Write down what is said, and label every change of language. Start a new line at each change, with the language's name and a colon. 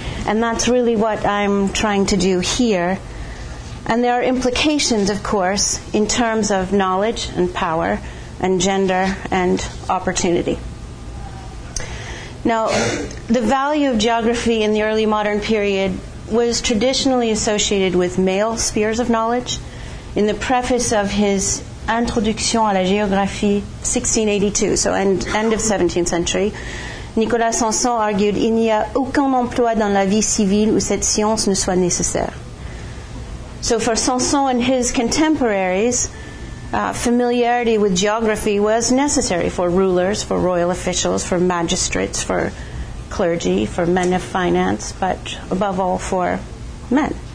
English: And that's really what I'm trying to do here. And there are implications, of course, in terms of knowledge and power and gender and opportunity. Now, the value of geography in the early modern period was traditionally associated with male spheres of knowledge. In the preface of his Introduction à la géographie, 1682, so end of 17th century, Nicolas Sanson argued,
French: il n'y a aucun emploi dans la vie civile où cette science ne soit nécessaire.
English: So for Sanson and his contemporaries, familiarity with geography was necessary for rulers, for royal officials, for magistrates, for clergy, for men of finance, but above all for men.